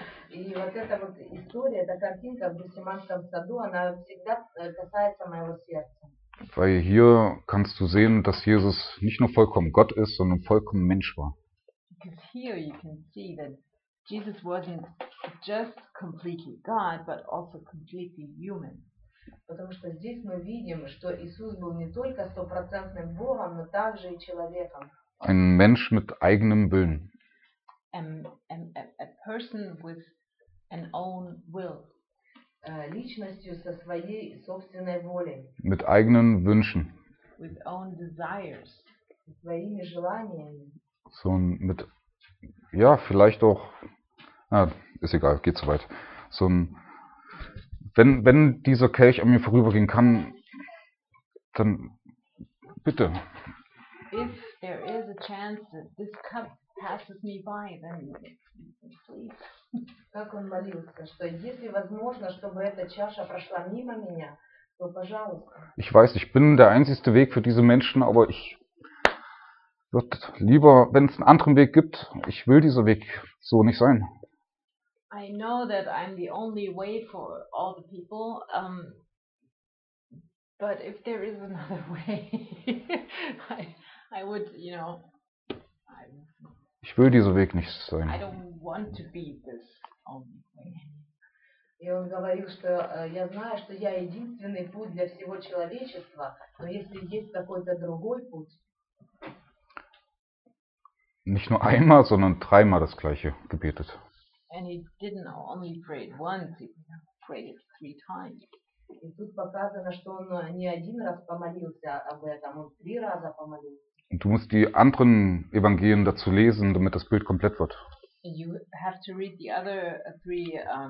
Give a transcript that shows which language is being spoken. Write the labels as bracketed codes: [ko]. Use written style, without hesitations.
[ru] И вот эта вот история, эта картинка в Гефсиманском саду, она всегда касается моего сердца. [de] Weil hier kannst du sehen, dass Jesus nicht nur vollkommen Gott ist, sondern vollkommen Mensch war. [en] Because here you can see that Jesus wasn't just completely God, but also completely human. [ru] Потому что здесь мы видим, что Иисус был не только стопроцентным Богом, но также и человеком. [de] Ein Mensch mit eigenem Willen. [en] A person with an own will. [ru] Личностью со своей собственной волей. [de] Mit eigenen Wünschen. [en] With own desires. [ru] Со своими желаниями. [de] So mit, ja, vielleicht auch, na, ist egal, geht zu weit. So ein, wenn dieser Kelch an mir vorübergehen kann, dann bitte. [en] If there is a chance that this cup passes me by, then please. [ru] Как он молился, что если возможно, чтобы эта чаша прошла мимо меня, то пожалуйста. [de] Ich weiß, ich bin der einzigste Weg für diese Menschen, aber ich würde lieber, wenn es einen anderen Weg gibt, ich will dieser Weg so nicht sein. [en] I know that I'm the only way for all the people, but if there is another way, I would, you know, [de] ich will dieser Weg nicht sein. [en] I don't want to be this only way. [ru] И он говорил, что я знаю, что я единственный путь для всего человечества, но если есть какой-то другой путь. [de] Nicht nur einmal, sondern dreimal das gleiche gebetet. [en] And he didn't only pray it once, he prayed it three times. [ru] И тут показано, что он не один раз помолился об этом, он три раза помолился. [de] Du musst die anderen Evangelien dazu lesen, damit das Bild komplett wird. [en] You have to read the other three